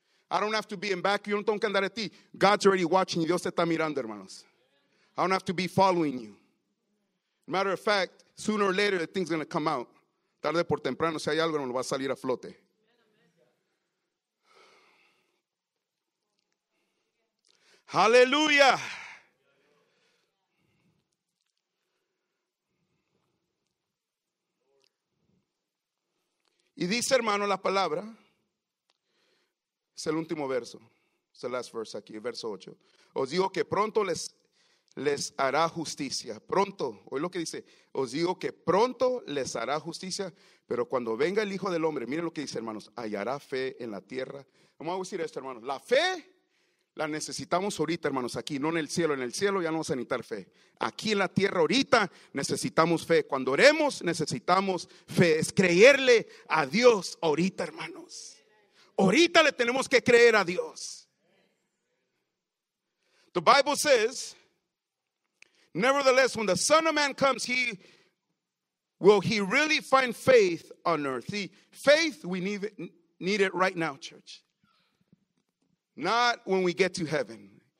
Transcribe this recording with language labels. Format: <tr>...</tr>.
<en>I don't have to be in back.</en> <es>Yo no tengo que andar a ti.</es> <en>God's already watching you.</en> <es>Dios te está mirando, hermanos.</es> <en>I don't have to be following you. Matter of fact, sooner or later, the thing's going to come out.</en> <es>Tarde por temprano, si hay algo, no lo va a salir a flote.</es> <en>Hallelujah.</en> <es>Y dice, hermano, la palabra. Es el último verso. Es el</es> <en>last verse</en> <es>aquí, verso 8. Os digo que pronto les hará justicia. Pronto, oye lo que dice. Os digo que pronto les hará justicia. Pero cuando venga el Hijo del Hombre, miren lo que dice, hermanos. Hallará fe en la tierra. Vamos a decir esto, hermanos. La fe la necesitamos ahorita, hermanos, aquí, no en el cielo. En el cielo ya no vamos a necesitar fe. Aquí en la tierra ahorita necesitamos fe. Cuando oremos necesitamos fe. Es creerle a Dios ahorita, hermanos. Ahorita le tenemos que creer a Dios.</es> <en>The Bible says, nevertheless, when the Son of Man comes, will he really find faith on earth? See, faith, we need it right now, church. Not when we get to heaven.</en>